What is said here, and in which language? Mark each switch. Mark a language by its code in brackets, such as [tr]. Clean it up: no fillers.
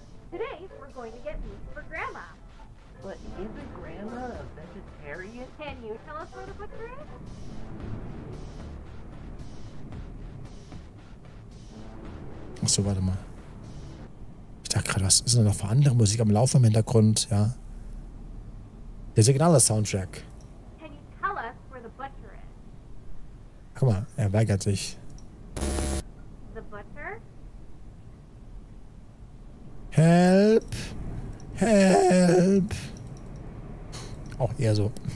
[en] Today we're going to get meat for Grandma. But isn't Grandma a vegetarian? Can you tell us where the butcher is? [de] Achso, warte mal. Ich dachte gerade, was ist denn noch für andere Musik am Laufen im Hintergrund, ja? Der Signale-Soundtrack. [en] Can you tell us where the butcher is? [de] Guck mal, er weigert sich. [en] Help! Help! [de] Auch eher so.